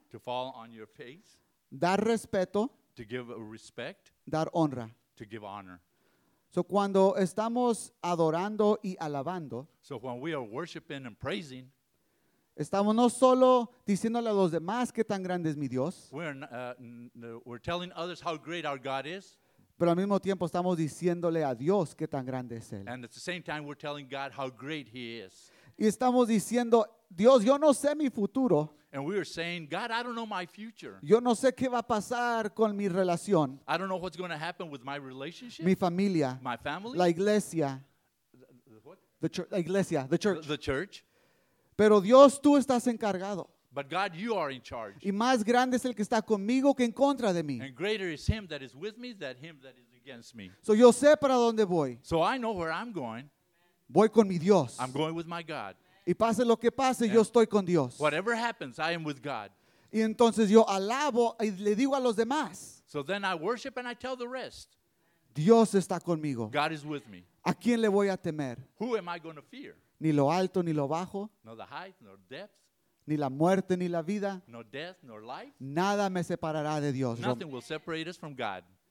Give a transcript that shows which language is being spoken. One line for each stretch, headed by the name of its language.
English: To fall on your face.
Spanish: Dar respeto.
English: To give respect.
Spanish: Dar honra.
English: To give honor.
Spanish: So cuando estamos adorando y alabando.
English: So when we are worshiping and praising.
Spanish: Estamos no solo diciéndole a los demás qué tan grande es mi Dios.
English: We're telling others how great our God is.
Spanish: Pero al mismo tiempo estamos diciéndole a Dios qué tan grande es Él.
English: And at the same time we're telling God how great He is.
Spanish: Y estamos diciendo, Dios, yo no sé mi futuro.
English: And we are saying, God, I don't know my future.
Spanish: Yo no sé qué va a pasar con mi relación.
English: I don't know what's going to happen with my relationship.
Spanish: Mi familia.
English: My family.
Spanish: La iglesia. La iglesia,
English: the church. The church.
Spanish: Pero Dios, tú estás encargado.
English: But God, you are in charge.
Spanish: Y más grande es el que está conmigo que en contra de mí.
English: And greater is him that is with me than him that is against me.
Spanish: So yo sé para dónde voy.
English: So I know where I'm going.
Spanish: Voy con mi Dios.
English: I'm going with my God.
Spanish: Y pase lo que pase, yo estoy con Dios.
English: Whatever happens, I am with God.
Spanish: Y entonces yo alabo y le digo a los demás.
English: So then I worship and I tell the rest.
Spanish: Dios está conmigo.
English: God is with me.
Spanish: ¿A quién le voy a temer?
English: Who am I going to fear?
Spanish: Ni lo alto ni lo bajo.
English: Nor the height nor depth.
Spanish: Ni la muerte ni la vida.
English: Nor death nor life.
Spanish: Nada me separará de Dios.
English: Nothing will separate us from God.